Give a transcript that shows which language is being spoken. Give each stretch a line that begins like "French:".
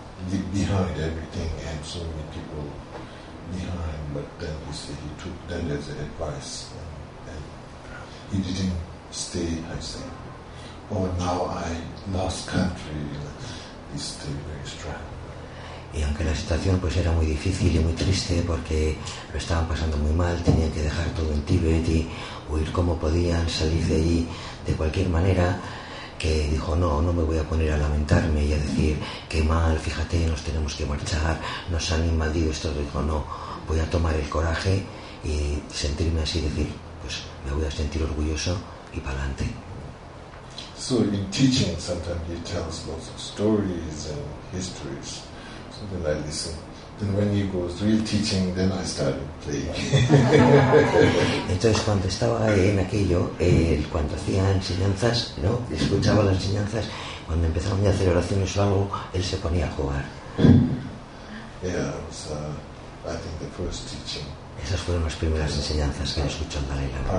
English: leave behind everything, he had so many people behind, but then he said he took that as an advice and he didn't stay, I say, oh, now I lost country, it's still very strong.
Spanish: Y aunque la situación pues era muy difícil y muy triste porque lo estaban pasando muy mal, tenían que dejar todo en Tíbet y huir como podían, salir de allí de cualquier manera, que dijo, no me voy a poner a lamentarme y a decir, qué mal, fíjate, nos tenemos que marchar, nos han invadido esto, dijo, no, voy a tomar el coraje y sentirme así, decir, pues me voy a sentir orgulloso y para adelante.
English: So in teaching, sometimes he tells lots of stories and histories. So then I listen. Then when he goes real teaching, then I started playing.
Spanish: Entonces cuando estaba en aquello, cuando hacía enseñanzas, ¿no? Escuchaba las enseñanzas. Cuando empezaban a hacer oraciones o algo, él se ponía a jugar.
English: Yeah, was, I think, the first teaching.
Spanish: Esas fueron las primeras enseñanzas que escuchó el Dalai Lama.